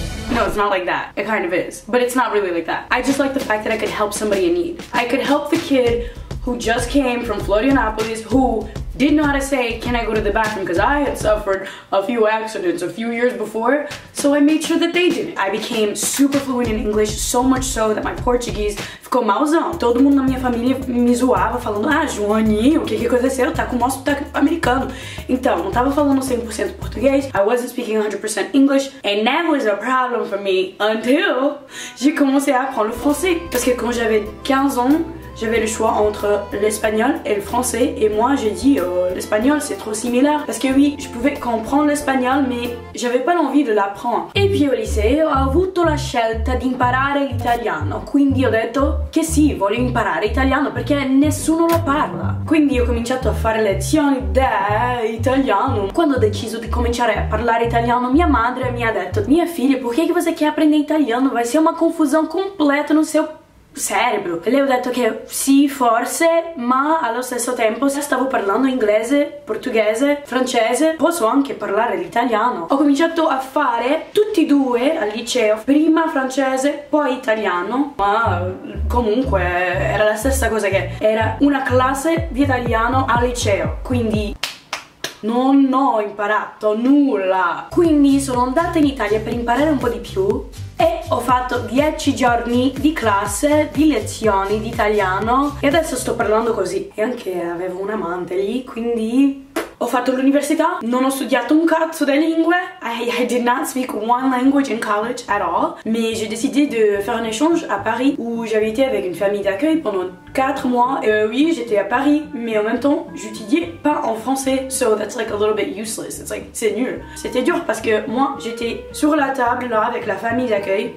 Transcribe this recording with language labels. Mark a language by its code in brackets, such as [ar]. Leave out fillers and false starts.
[en] No, it's not like that. It kind of is, but it's not really like that. I just like the fact that I could help somebody in need. I could help the kid who just came from Florianopolis, who did know how to say, can I go to the bathroom? Because I had suffered a few accidents a few years before, so I made sure that they didn't. I became super fluent in English, so much so that my Portuguese [pt] ficou malzão. Todo mundo na minha família me zoava, falando, ah, Joaninho, o que que aconteceu? Tá com o nosso sotaque americano. Então, não tava falando 100% português, [en] I wasn't speaking 100% English, and that was a problem for me until [fr] j'ai commencé à apprendre le français. Parce que quand j'avais 15 ans, j'avais le choix entre l'espagnol et le français, et moi j'ai dit l'espagnol c'est trop similaire, parce que oui, je pouvais comprendre l'espagnol, mais j'avais pas l'envie de l'apprendre. Et puis au lycée, [it] ho avuto la scelta di imparare l'italiano, quindi ho detto che sì, voglio imparare italiano, perché nessuno lo parla. Quindi ho cominciato a fare lezioni di italiano. Quando ho deciso di cominciare a parlare italiano, mia madre mi ha detto, mia figlia, perché che [pt] você quer aprender italiano? Vai ser uma confusão completa no seu cérebro. [it] E lei ho detto che sì, forse, ma allo stesso tempo se stavo parlando inglese, portoghese, francese, posso anche parlare l'italiano. Ho cominciato a fare tutti e due al liceo, prima francese, poi italiano, ma comunque era la stessa cosa, che era una classe di italiano al liceo, quindi non ho imparato nulla. Quindi sono andata in Italia per imparare un po' di più, e ho fatto 10 giorni di classe, di lezioni di italiano, e adesso sto parlando così. E anche avevo un amante lì, quindi ho fatto l'università, non ho studiato un cazzo di lingue. [en] I did not speak one language in college at all. [fr] Mais j'ai décidé de faire un échange à Paris, où j'habitais avec une famille d'accueil pendant 4 mois. Oui, j'étais à Paris, mais en même temps, j'étudiais pas en français. [en] So that's like a little bit useless. It's like, [fr] c'est nul. C'était dur parce que moi, j'étais sur la table là avec la famille d'accueil.